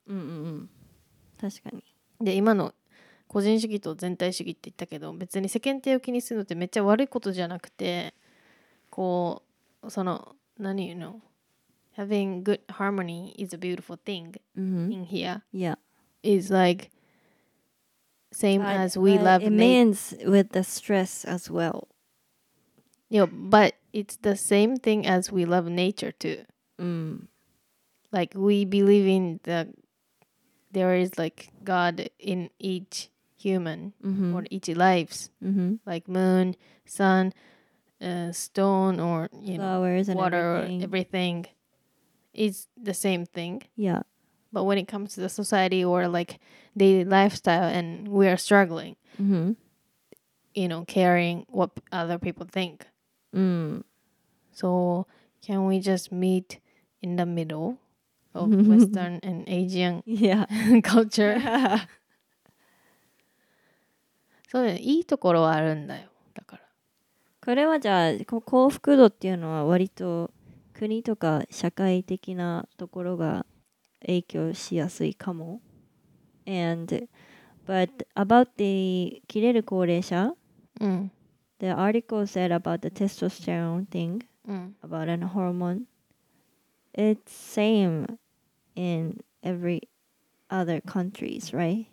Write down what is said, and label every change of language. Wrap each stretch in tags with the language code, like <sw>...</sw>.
<ja>うんうんうん、確かに、で今の個人主義と全体主義って言ったけど別に世間体を気にするのってめっちゃ悪いことじゃなくて、こうその何言うの</ja> <en>Having good harmony is a beautiful thing、 mm-hmm. in here Yeah It's like same but, as we love It means with the stress as well you know, But it's the same thing as we love nature too、 mm. Like we believe in the There is like God in each human、 mm-hmm. or each lives、 mm-hmm. Like moon, sun,stone or you Flowers know, water and everything. Or everything is the same thing. Yeah. But when it comes to the society or like the lifestyle and we are struggling,、 mm-hmm. you know, caring what other people think.、 Mm. So can we just meet in the middle of Western and Asian culture? Yeah.</en> <ja>そうね、いいところはあるんだよ。だから。これはじゃあ、幸福度っていうのは割と国とか社会的なところが影響しやすいかも。</ja> <en>And, but about the 切れる高齢者、うん、 The article said about the testosterone thing,、うん、 about an hormone. It's same in every other countries, right?</en>